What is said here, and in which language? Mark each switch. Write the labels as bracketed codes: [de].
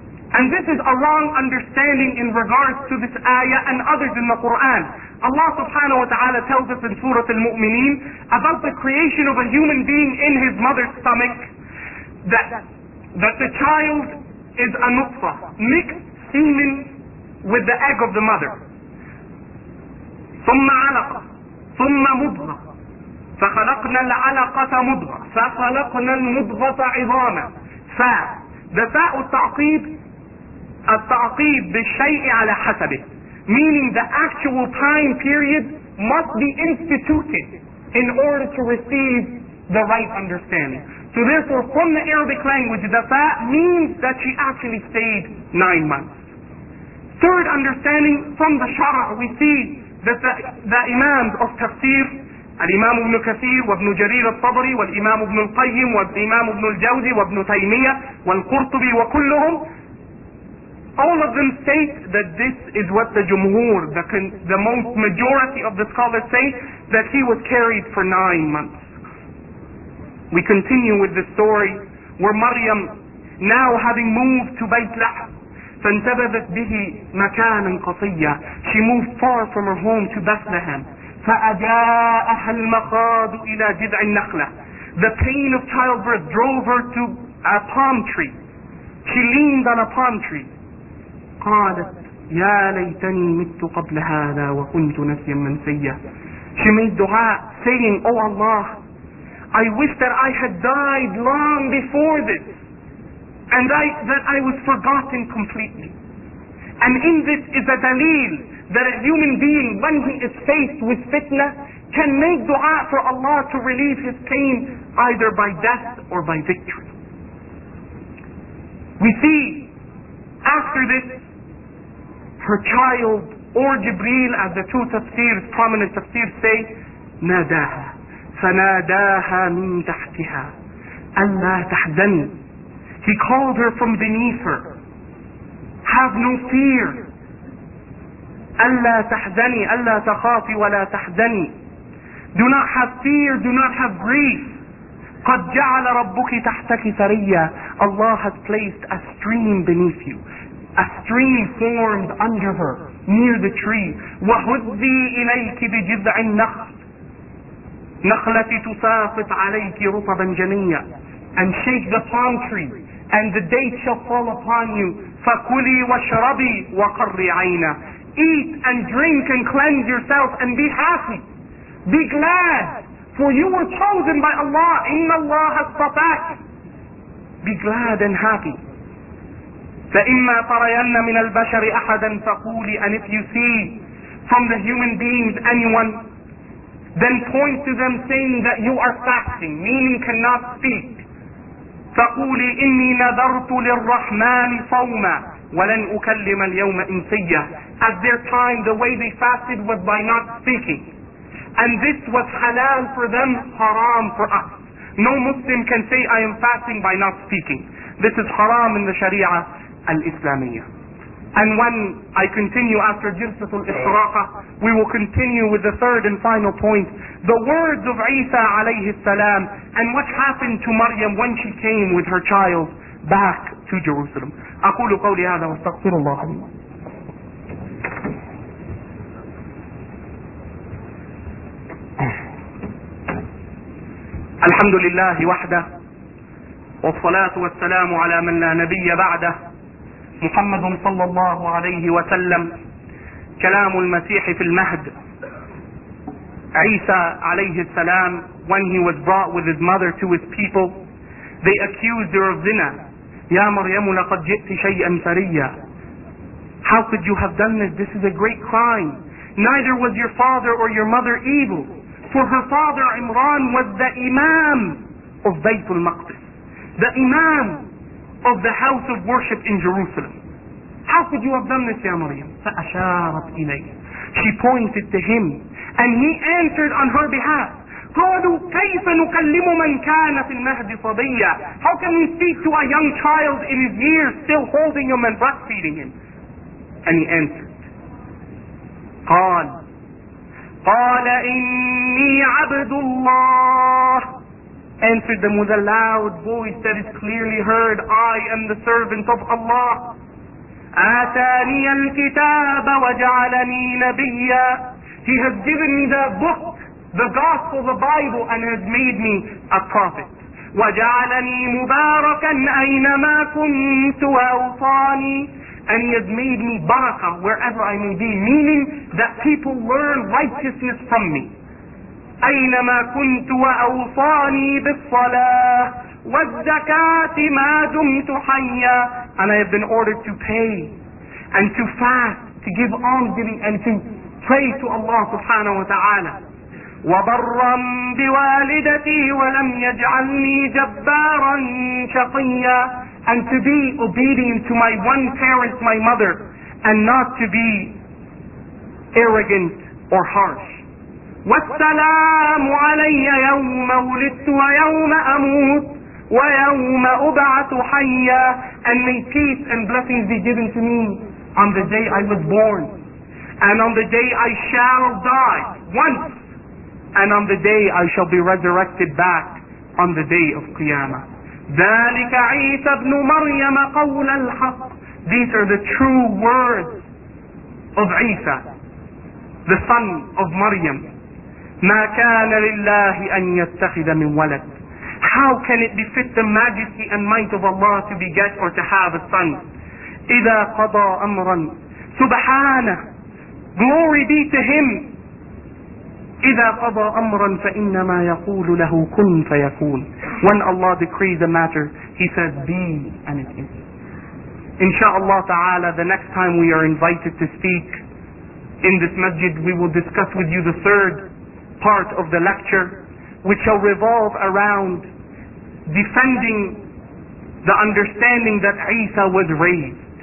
[en] And this is a wrong understanding in regards to this ayah and others in the Quran. Allah subhanahu wa ta'ala tells us in Surah Al-Mu'mineen about the creation of a human being in his mother's stomach, that the child is a nutfah, mixed semen with the egg of the mother. [ar] ثم علقة ثم مضغة فخلقنا العلقة مضغة فخلقنا المضغة عظاما. فاء ده فاء التعقيب, التعقيب بالشيء على حسبه. [en] Meaning the actual time period must be instituted in order to receive the right understanding. So therefore, from the Arabic language, the fa means that she actually stayed 9 months. Third understanding, from the shara, we see that the imams of tafsir, al-imam ibn Kathir, wa ibn Jarir al-Tabari, wa al-imam ibn al-Qayyim, wa al-imam ibn al-Jawzi, wa ibn Taymiyyah, wa al-Qurtubi, wa kulluhum, all of them state that this is what the jumhur, the most majority of the scholars say, that he was carried for 9 months. We continue with the story where Maryam, now having moved to Bayt Lahm, [ar] فانتبذت به مكانا قصيا, [en] she moved far from her home to Bethlehem. [ar] فأجاءها المخاض إلى جذع النخلة, [en] the pain of childbirth drove her to a palm tree. She leaned on a palm tree. [ar] قالت يا ليتني مت قبل هذا وكنت نسيا منسيا. [en] She made dua saying, oh Allah, I wish that I had died long before this, and that I was forgotten completely. And in this is a dalil that a human being, when he is faced with fitna, can make dua for Allah to relieve his pain either by death or by victory. We see after this her child, or Jibreel, as the two tafsirs, prominent tafsirs say, [ar] ناداها فناداها من تحتها ألا تحزن. [en] He called her from beneath her. Have no fear. [ar] ألا تحزني, ألا تخافي ولا تحزني. [en] Do not have fear, do not have grief. [ar] قد جعل ربك تحتك ثريا. [en] Allah has placed a stream beneath you. A stream formed under her, near the tree. [ar] وهذي إليك بجذع النخل. نخلتي تساقط عليك رطبا جنيا. [en] And shake the palm tree, and the date shall fall upon you. [ar] فَكُلِي وَشْرَبِي وَقَرِّي عَيْنَا. [en] Eat and drink and cleanse yourself and be happy. Be glad, for you were chosen by Allah. [ar] إِنَّ اللَّهَ اصطفاك. [en] Be glad and happy. [ar] فَإِمَّا تَرَيَنَّ مِنَ الْبَشَرِ أَحَدًا فَقُولِي. [en] And if you see from the human beings anyone, then point to them saying that you are fasting, meaning cannot speak. [ar] فقولي إني نذرت للرحمن صوما ولن أكلم اليوم إنسيا. [en] At their time, the way they fasted was by not speaking. And this was halal for them, haram for us. No Muslim can say, I am fasting by not speaking. This is haram in the Sharia al-Islamiyya. And when I continue after Jilsat al-Israqa, we will continue with the third and final point. The words of Isa alayhi salam, and what happened to Maryam when she came with her child back to Jerusalem. [ar] أقول قولي هذا واستغفر الله. الحمد لله وحده, والصلاة والسلام على من لا نبي بعده, محمد صلى الله عليه وسلم, كلام المسيح في المهد. عيسى عليه السلام, [en] when he was brought with his mother to his people, they accused her of zina. [ar] يا مريم لقد جئت شيئا ثريا. [en] How could you have done this? This is a great crime. Neither was your father or your mother evil. For her father Imran was the imam of Bayt al-Maqdis, the imam of the house of worship in Jerusalem. How could you have done this, ya Maryam? [ar] فأشارت إليه. [en] She pointed to him, and he answered on her behalf. [ar] قالوا كيف نكلم من كان في المهد صبيا. [en] How can we speak to a young child in his years, still holding him and breastfeeding him? And he answered. [ar] قال إني عبد الله. [en] Answered them with a loud voice that is clearly heard. I am the servant of Allah. [ar] آتاني الكتاب وجعلني نبيا. [en] He has given me the book, the gospel, the Bible, and has made me a prophet. [ar] وجعلني مباركا أينما كنت وأوصاني [en] And he has made me barakah wherever I may be, meaning that people learn righteousness from me. [ar] أينما كنت وأوصاني بالصلاة والزكاة ما دمت حيا. [en] And I have been ordered to pay and to fast, to give almsgiving and to pray to Allah subhanahu wa ta'ala. [ar] وبرًا بوالدتي ولم يجعلني جبارًا شقيا. [en] And to be obedient to my one parent, my mother, and not to be arrogant or harsh. [ar] والسلام علي يوم ولدت ويوم أموت ويوم أبعث حيا. [en] And may peace and blessings be given to me on the day I was born, and on the day I shall die once, and on the day I shall be resurrected back on the day of Qiyamah. [ar] ذلك عيسى بن مريم قول الحق. [en] These are the true words of Isa, the son of Maryam. [ar] ما كان لله أن يتخذ من ولد. [en] How can it befit the majesty and might of Allah to beget or to have a son? [ar] إذا قضى أمرا. سبحانه. [en] Glory be to him. [ar] إذا قضى أمرا فإنما يقول له كن فيكون. [en] When Allah decrees a matter, He says, be and it is. Inshallah ta'ala, the next time we are invited to speak in this masjid, we will discuss with you the third part of the lecture, which shall revolve around defending the understanding that Isa was raised.